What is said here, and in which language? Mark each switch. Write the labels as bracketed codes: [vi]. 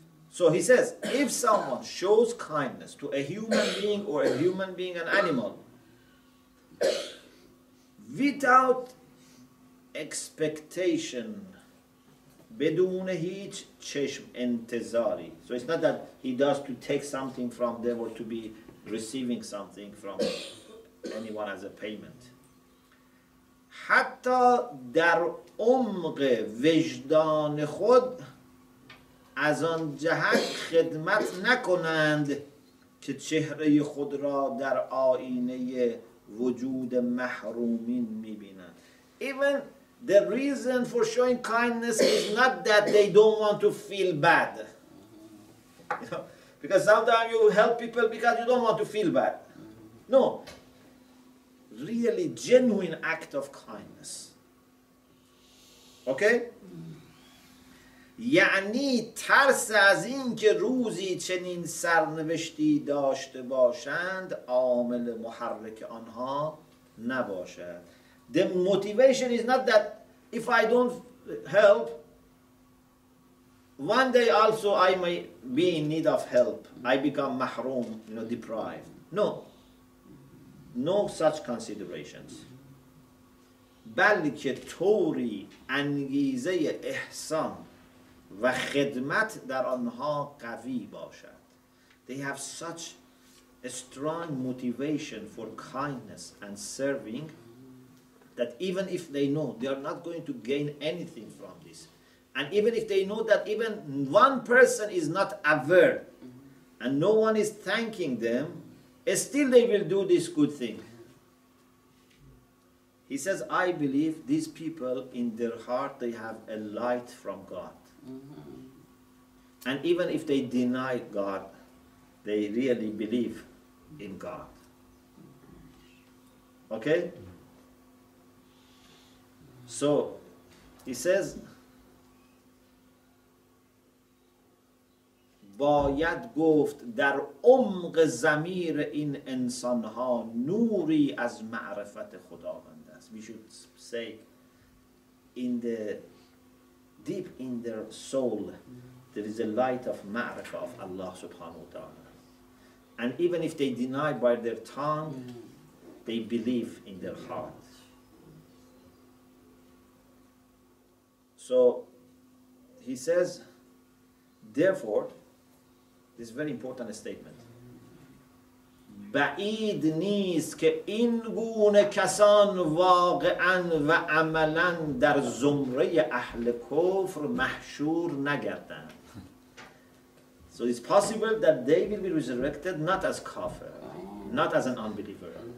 [en] So he says, if someone shows kindness to a human being or a human being, an animal, without expectation, [fa] بدون هیچ چشم انتظاری. [en] So it's not that he does to take something from them or to be receiving something from anyone as a payment. [fa] حتی در عمق وجدان خود از آن جهت خدمت نکنند که چهره خود را در آینه وجود محرومین میبینند. [en] Even the reason for showing kindness is not that they don't want to feel bad. Because sometimes you help people because you don't want to feel bad. No. Really genuine act of kindness. Okay? [fa] یعنی ترس از این که روزی چنین سرنوشتی داشته باشند عامل محرک آنها نباشد. [en] The motivation is not that if I don't help, one day also I may be in need of help. I become محروم, you know, deprived. No. No such considerations. [fa] بلکه طوری انگیزه احسان و خدمت در آنها قوی باشد. [en] They have such a strong motivation for kindness and serving that even if they know they are not going to gain anything from this, and even if they know that even one person is not aware and no one is thanking them, still they will do this good thing. He says, I believe these people in their heart they have a light from God. Mm-hmm. And even if they deny God, they really believe in God. Okay? So, he says, [fa] باید گفت در عمق ضمیر این انسانها نوری از معرفت خداوند است. [en] We should say, in the deep in their soul, there is a light of ma'rifah of Allah subhanahu wa ta'ala. And even if they deny by their tongue, they believe in their heart. So, he says, therefore, this is a very important statement. [fa] بعید نیست که این گونه کسان واقعا و عملا در زمره اهل کفر محشور نگردند. [en] So it's possible that they will be resurrected not as kafir, not as an unbeliever.